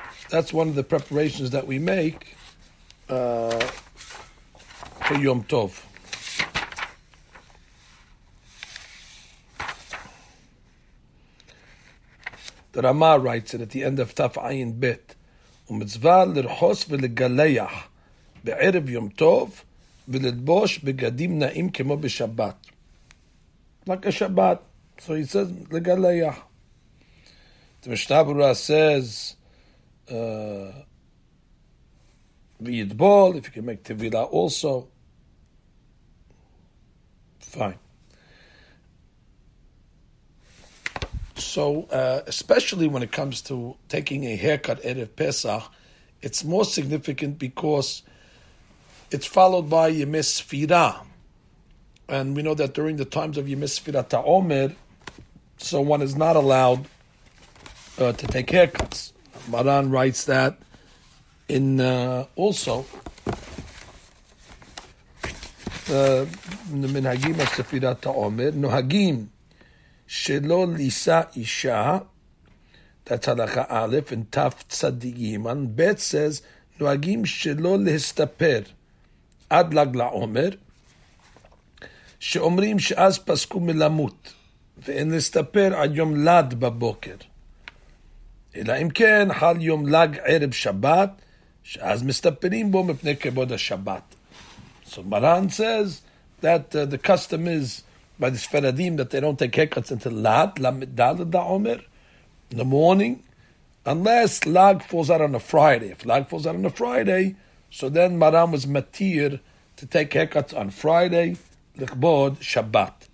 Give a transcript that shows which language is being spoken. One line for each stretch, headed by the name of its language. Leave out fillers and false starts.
English: That's one of the preparations that we make for Yom Tov. The Rama writes it at the end of Taf Ayin Bet.
Hebrew: Umitzvah lirchos v'legaleach be'erev Yom Tov. ולדבוש בגדים נעים כמו בשבת. רק השבת.
English: So he says, לגליה. The Mishnah Berurah says, וידבול, if you can make tevila also. Fine. So, especially when it comes to taking a haircut erev Pesach, it's more significant because it's followed by Yemei Sfira. And we know that during the times of Yemei Sfira Ta'omer, so one is not allowed to take haircuts. Maran writes that in also the Minhagim of Sfira Ta'omer.
Hebrew: Nohagim Shelo Lisa Isha, that's Halakha Aleph, and Taf Tzadigiman. Bet says, Nohagim Shelo Lehistaper. עד לג לעומר, שאומרים שאז פסקו מלמות, ואין להסתפר עד יום לד בבוקר. אלא אם כן, חל יום לג ערב שבת, שאז מסתפרים בו מפני כבוד השבת.
English: So Maran says that the custom is by the Sfaradim that they don't take haircuts until lad,
Hebrew: למדל לעומר,
English: in the morning, unless lag falls out on a Friday. If lag falls out on a Friday, so then Maran was matir to take haircuts on Friday, lichbod Shabbat.